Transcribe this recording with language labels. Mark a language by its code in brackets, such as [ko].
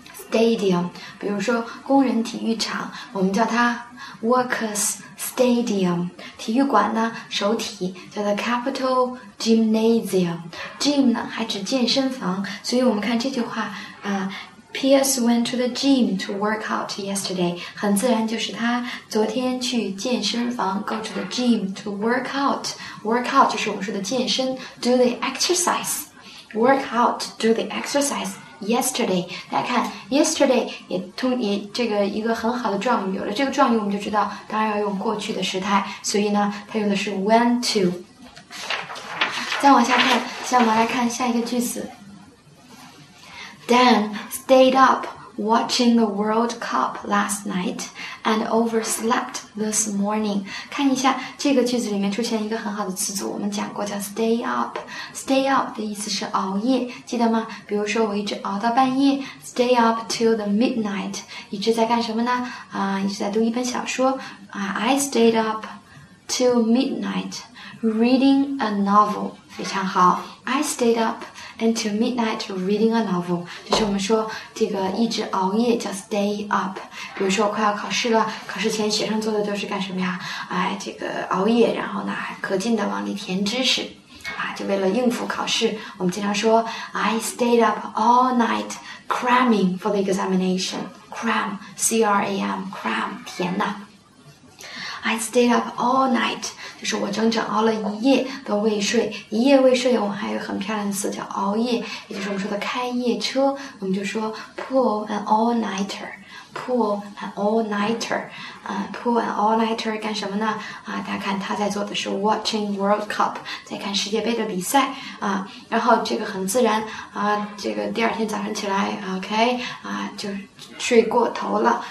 [zh] Stadium， 比如说工人体育场，我们叫它 [en] workers stadium。 [zh] 体育馆呢，首体叫做 capital gymnasium。 Gym 呢，还指健身房，所以我们看这句话啊。 [en] Pierce went to the gym to work out yesterday， [zh] 很自然就是他昨天去健身房， [en] go to the gym to work out。 Work out [zh] 就是我们说的健身， [en] do the exercise， work out， do the exercise yesterday。 [zh] 大家看 yesterday 也这个一个很好的状语，有了这个状语我们就知道当然要用过去的时态，所以呢他用的是 went to。再往下看，下我们来看下一个句子。 [en] Dan stayed up watching the World Cup last night and overslept this morning. [zh] 看一下这个句子里面出现一个很好的词组，我们讲过叫 stay up. Stay up 的意思是熬夜，记得吗？比如说我一直熬到半夜， [en] stay up till the midnight. [zh] 一直在干什么呢？一直在读一本小说。 [en] I stayed up till midnight reading a novel. [zh] 非常好。 [en] I stayed up. Until midnight reading a novel. [zh] 就是我们说这个一直熬夜叫 stay up. 比如说我快要考试了，考试前学生做的都是干什么呀？这个熬夜，然后呢可劲的往里填知识啊，就为了应付考试。我们经常说 [en] I stayed up all night cramming for the examination. Cram, C-R-A-M, cram, 填呐。 I stayed up all night. [zh] 就是我整整熬了一夜的未睡。一夜未睡，我们还有很漂亮的词叫熬夜，也就是我们说的开夜车。我们就说 [en] pull an all-nighter. Pull an all-nighter. Pull an all-nighter [zh] 干什么呢？大家看他在做的是 [en] watching World Cup， [zh] 在看世界杯的比赛啊。然后这个很自然啊，这个第二天早上起来 ，OK 啊，就睡过头了。